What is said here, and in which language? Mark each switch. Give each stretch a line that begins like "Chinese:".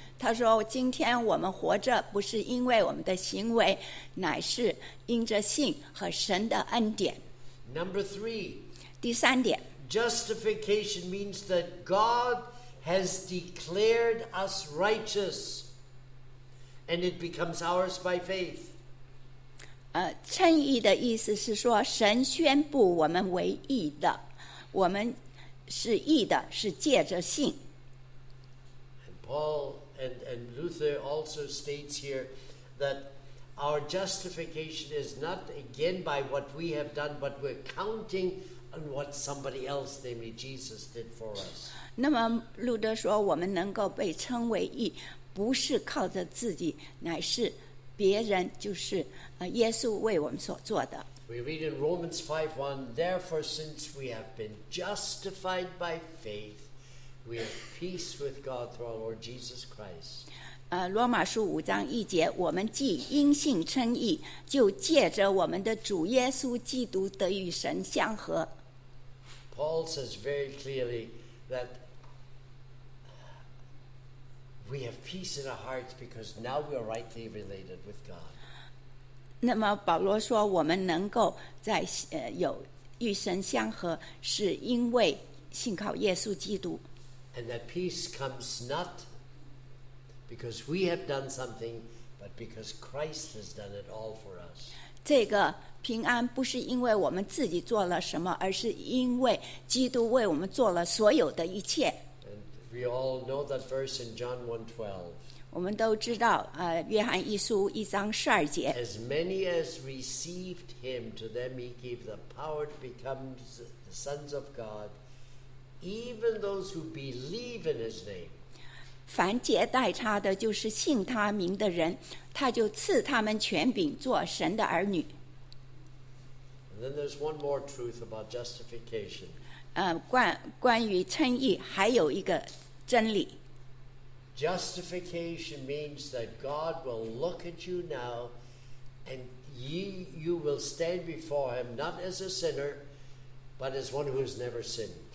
Chinese: 他说，今天我们活着不是因为我们的行为，乃是因着信和神的恩典。
English: Number three,
Chinese: 第三点，
English: justification means that God has declared us righteous, and it becomes ours by faith.
Chinese: 称义的意思是说，神宣布我们为义的，我们是义的，是借着信。
English: And Paul and Luther also states here that our justification is not again by what we have done, but we're counting on what somebody else, namely Jesus, did for us.
Chinese: 那么路德说，我们能够被称为义，不是靠着自己，乃是。别人就是耶稣为我们所做的。
English: We read in Romans 5:1, Therefore, since we have been justified by faith, we have peace with God through our Lord Jesus Christ.
Chinese: 罗马书五章一节，我们既因信称义，就借着我们的主耶稣基督得与神相合。
English: Paul says very clearly that. We have peace in our hearts because now we are rightly related with God.
Chinese: 那么保罗说，我们能够在有与神相合，是因为信靠耶稣基督。
English: And that peace comes not because we have done something, but because Christ has done it all for us.
Chinese: 这个平安不是因为我们自己做了什么，而是因为基督为我们做了所有的一切。
English: We all know that verse in John 1:12.
Chinese: 我们都知道，约翰一书一章十二节。
English: As many as received him, to them he gave the power to become the sons of God, even those who believe in his name.
Chinese: 凡接待他的，就是信他名的人，他就赐他们权柄做神的儿女。
English: And then there's one more truth about justification.
Chinese: 关于称义，还有一个。真理。
English: Justification means that God will look at you now and you will stand before him not as a sinner but as one who has never sinned.